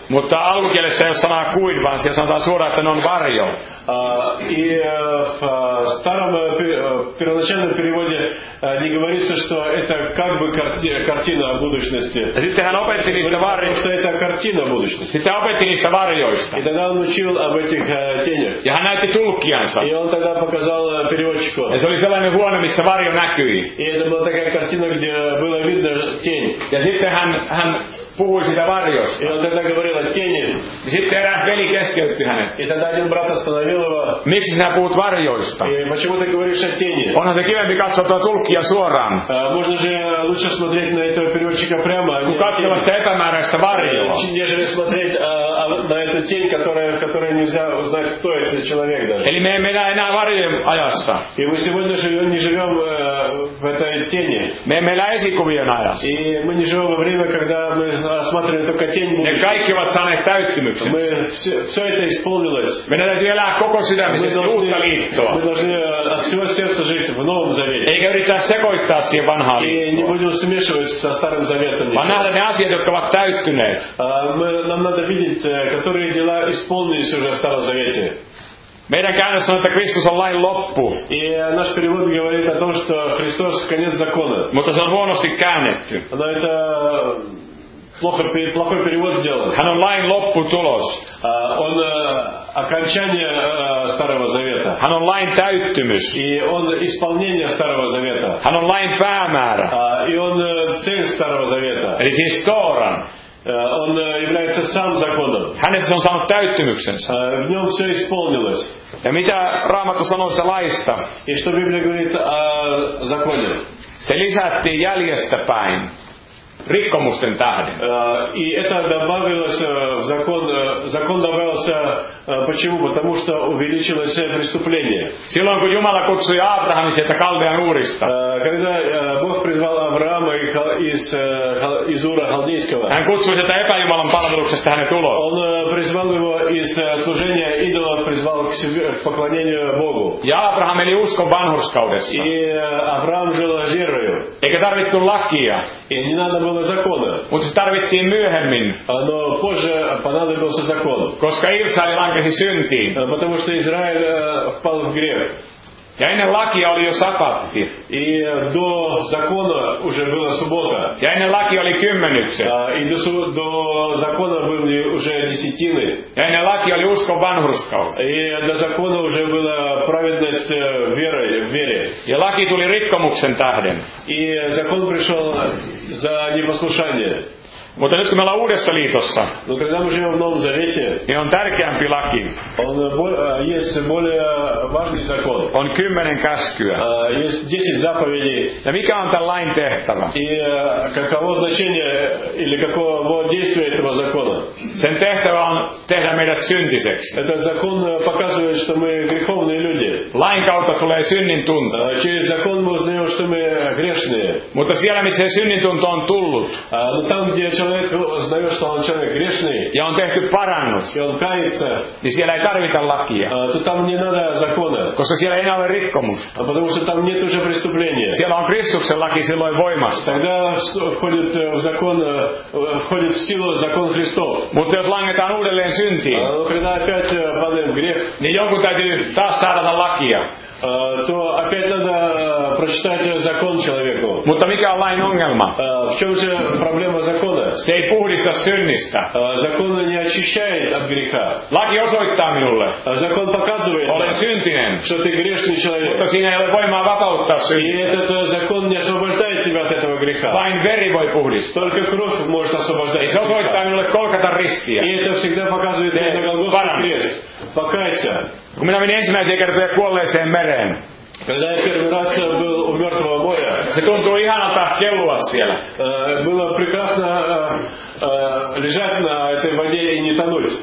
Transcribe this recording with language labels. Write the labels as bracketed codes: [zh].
[fi] Mutta alkukielessä ei ole sanaa kuin, vaan siellä sanotaan suoraan, että ne on varjo. [ru] И в старом первоначальном переводе не говорится, что это как бы картина будущности. [fi] Sitten hän opetti niistä varjoista. [ru] Что это картина будущности. [fi] Sitten opetti niistä varjoista. [ru] И тогда он учил об этих тенях. [fi] Ja hän näytti tulkkiansa. [ru] И он тогда показал переводчику. [fi] Ja se oli sellainen huone, missä varjo näkyi. [ru] И это была такая картина, где было видно тень. [fi] Ja sitten hän puhui siitä varjosta. [ru] И он тогда говорил о тени. [fi] Ja sitten eräs veli keskeytti hänet. [ru] И тогда один брат остановил его. [fi] Miksi sinä puhut varjoista? [ru] И почему ты говоришь о тени? [fi] Onhan se kivempi katsoa tulkkia suoraan. [ru] Можно же лучше смотреть на этого переводчика прямо. [fi] Kun katsoa sitä epämääräistä varjoa. [ru] Нежели смотреть на эту тень, которая нельзя узнать, кто это человек даже. [fi] Eli me emme elä enää varjojen ajassa. [ru] И мы сегодня живем, не живем в этой тени. [fi] Me emme elä esikuvien ajassa. [ru] И мы не живем во время, когда мы осматриваем только тень. [fi] Ne kaikki ovat saaneet täyttymyksen. [ru] Мы все это исполнилось. [fi] Meidän täytyy elää koko sydämisestä uutta liittoa. [ru] Мы должны от всего сердца жить в новом завете. [fi] Eikä yrittää sekoittaa siihen vanhaan liittoon. [ru] И не будем смешивать со старым заветом. [fi] Vaan nähdä ne asiat, jotka ovat täyttyneet. [ru] Нам надо видеть, которые дела исполнились уже в старом завете. [fi] Meidän käännössä on, että Kristus on lain loppu. [ru] И наш перевод говорит о том, что Христос конец закона. [fi] Mutta se on huonosti käännetty. [ru] Но это плохой перевод сделан. [fi] Hän on lain lopputulos. [ru] Он окончание старого завета. [fi] Hän on lain täyttymys. [ru] И он исполнение старого завета. [fi] Hän on lain päämäärä. [ru] И он цель старого завета. [fi] Eli siis Tooran. [ru] Он является сам законом. [fi] Hänessä on saanut täyttymyksensä. [ru] В нем все исполнилось. [fi] Ja mitä Raamattu sanoo sitä laista? [ru] И что Библия говорит о законе? [fi] Se lisättiin jäljestä päin. Rikkomusten tähden. [ru] И это добавилось в закон. Закон добавился почему? Потому что увеличилось преступление. [fi] Silloin kun Jumala kutsui Abrahamin sieltä Kaldean Uurista. [ru] Когда Бог призвал Авраама из Ура Халдейского. [fi] Hän kutsui sieltä epäjumalan palveluksesta hänet ulos. [ru] Он призвал его из служения идола, призвал к поклонению Богу. [fi] Ja Abraham eli uskon vanhurskaudessa. [ru] И Авраам жил верою. [fi] Eikä tarvittu lakia. [ru] И не надо было закона. [fi] Mutta se tarvittiin myöhemmin. [ru] Но позже понадобился закон. [fi] Koska Israel lankesi syntiin. [ru] Потому что Израиль впал в грех. [fi] Ja ennen lakia oli jo sapatti. [ru] И до закона уже была суббота. [fi] Ja ennen lakia oli kymmenykset. [ru] И до закона были уже десятины. [fi] Ja ennen lakia oli uskon vanhurskaus. [ru] И до закона уже была праведность верой, в вере. [fi] Ja laki tuli rikkomuksen tähden. [ru] И закон пришел за непослушание. [fi] Mutta nyt kun me ollaan uudessa liitossa, [ru] no, когда мы живем в новом завете, [fi] niin on tärkeämpi laki. On, [ru] есть более важный закон. [fi] On 10 käskyä. [ru] Есть 10 заповедей. [fi] Ja mikä on tämän lain tehtävä? [ru] И каково значение или каково действие этого закона? [fi] Sen tehtävä on tehdä meidät syntiseksi. [ru] Этот закон показывает, что мы греховные люди. [fi] Lain kautta tulee synnin tunto. [ru] Через закон мы узнаем, что мы грешные. [fi] Mutta siellä, missä se synnin tunto on tullut, [ru] no, там, где человек знает, что он человек грешный, [fi] ja on tehty parannus, [ru] и он кается, [fi] niin siellä ei tarvita lakia, [ru] то там не надо закона, [fi] koska siellä ei ole rikkomus, [ru] потому что там нет уже преступления. [fi] Siellä on Kristuksen laki silloin voimassa. [ru] Тогда входит в закон, входит в силу закон Христов. [fi] Mutta jos langetaan uudelleen syntiin, [ru] когда опять падаем грех, [fi] niin jonkun täytyy taas saada lakia. [ru] То опять надо прочитать закон человеку. [fi] Mutta mikä on lain ongelma? [ru] В чем же проблема закона? [fi] Se ei puhdista synnistä. [ru] Закон не очищает от греха. [fi] Laki osoittaa minulle. [ru] Закон показывает. [fi] Olen syntinen. [ru] Что ты грешный человек. [fi] Mutta siinä ei ole voimaa vapauttaa synnistä. [ru] И этот закон не освобождает тебя от этого греха. [fi] Vain veri voi puhdistaa. [ru] Только кровь может освобождать. И [fi] se osoittaa minulle Golgatan ristiä. [ru] И это всегда показывает на Голгофском кресте. Покайся. [fi] Kun minä menin ensimmäisen kertaan kuolleeseen mereen. [ru] Когда я первый раз был у мертвого моря. [fi] Se tuntuu ihanalta kellua siellä. [ru] Было прекрасно лежать на этой воде и не тонуть.